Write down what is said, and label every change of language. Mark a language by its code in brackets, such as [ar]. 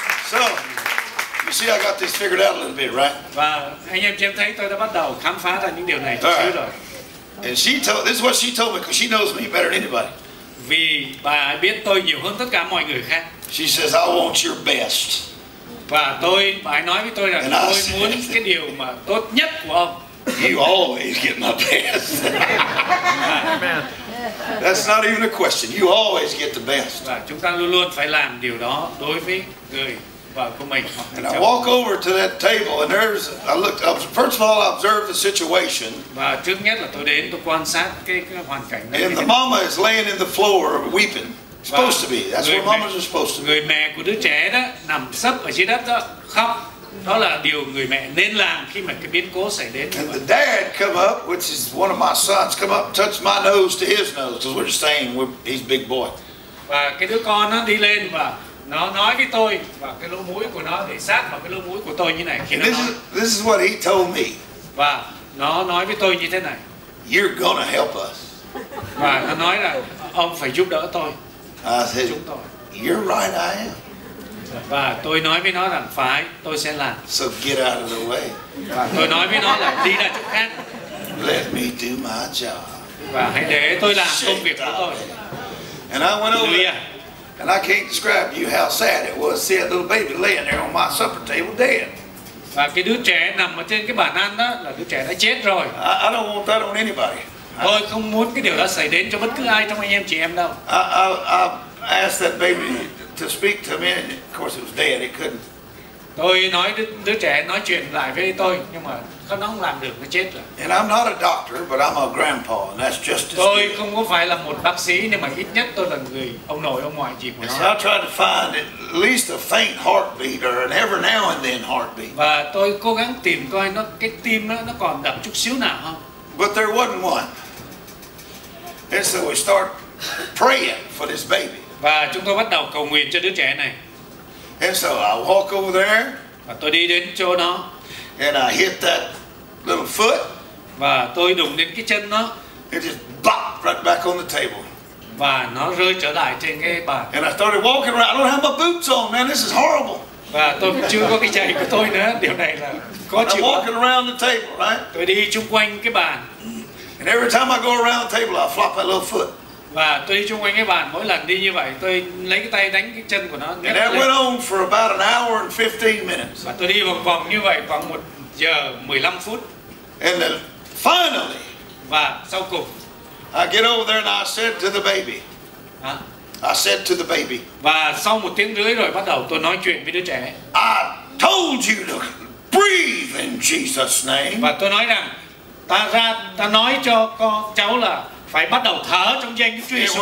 [en] So, you see, I got this figured out a little bit, right? [vi] Và anh em thấy tôi đã bắt đầu khám phá ra những điều này chút xíu rồi. [en] And she told this is what she told me because she knows me better than anybody. [vi] Vì bà biết tôi nhiều hơn tất cả mọi người khác. [en] She says I want your best. [vi] Và tôi bà nói với tôi là and tôi said, muốn cái điều mà tốt nhất của ông. [en] You always get my best. That's not even a question. You always get the best. [vi] Và chúng ta luôn luôn phải làm điều đó đối với người vợ của mình. [en] And I walk over to that table and there's I looked up. First of all, I observed the situation. [vi] Và trước nhất là tôi đến tôi quan sát cái hoàn cảnh. [en] And the mama is laying in the floor weeping. Supposed to be. That's where mamas are supposed to be. [vi] Người mẹ của đứa trẻ đó nằm sấp ở dưới đất đó khóc. Đó là điều người mẹ nên làm khi mà cái biến cố xảy đến. [en] And the dad come up, which is one of my sons, come up and touched my nose to his nose, because we're just saying he's a big boy. [vi] Và cái đứa con nó đi lên và nó nói với tôi và cái lỗ mũi của nó để sát vào cái lỗ mũi của tôi như này. Khi nó [en] this is what he told me. [vi] Và nó nói với tôi như thế này. [en] You're gonna help us. [vi] Và nó nói là ông phải giúp đỡ tôi. [en] I said, [vi] chúng tôi. [en] You're right, I am. [vi] Và tôi nói với nó rằng phải, tôi sẽ làm. [en] So get out of the way. [vi] Và tôi nói với nó là đi ra chỗ khác. [en] Let me do my job. [vi] Và hãy để tôi làm công việc của tôi. [en] And I went over there, and I can't describe to you how sad it was seeing a little baby laying there on my supper table dead. [vi] Và cái đứa trẻ nằm ở trên cái bàn ăn đó là đứa trẻ đã chết rồi. [en] I don't want that on anybody. [vi] Tôi không muốn cái điều đó xảy đến cho bất cứ ai trong anh em chị em đâu. [en] I asked that baby to speak to me, and of course it was dead. It couldn't. [vi] Tôi nói đứa trẻ nói chuyện lại với tôi, nhưng mà nó không làm được, nó chết rồi. [en] And I'm not a doctor, but I'm a grandpa, and that's just as [vi] tôi good. Không có phải là một bác sĩ, nhưng mà ít nhất tôi là người ông nội, ông ngoại gì của [en] and [vi] nó. [en] So I tried to find at least a faint heartbeat, or an every now and then heartbeat. [vi] Và tôi cố gắng tìm coi nó cái tim nó còn đập chút xíu nào không. [en] But there wasn't one. And so we start praying for this baby. [vi] Và chúng tôi bắt đầu cầu nguyện cho đứa trẻ này. [en] And so I walk over there. [vi] Và tôi đi đến chỗ nó. [en] And I hit that little foot. [vi] Và tôi đụng đến cái chân nó. [en] It just bop right back on the table. [vi] Và nó rơi trở lại trên cái bàn. [en] And I started walking around. I don't have my boots on, man. This is horrible. [vi] Và tôi chưa có cái giày của tôi nữa. Điều này là có chịu. [en] I'm walking around the table, right? [vi] Tôi đi chung quanh cái bàn. [en] And every time I go around the table, I flop that little foot. [vi] Và tôi đi chung quanh cái bàn, mỗi lần đi như vậy, tôi lấy cái tay đánh cái chân của nó. [en] And that went on for about an hour and 15 minutes. [vi] Và tôi đi vòng vòng như vậy khoảng 1 giờ 15 phút. [en] And then finally, [vi] và sau cùng, [en] I get over there and I said to the baby. I said to the baby. [vi] Và sau 1 tiếng rưỡi rồi bắt đầu tôi nói chuyện với đứa trẻ. [en] I told you to breathe in Jesus' name. [vi] Và tôi nói rằng, ta nói cho con cháu là phải bắt đầu thở trong danh Chúa Jesus.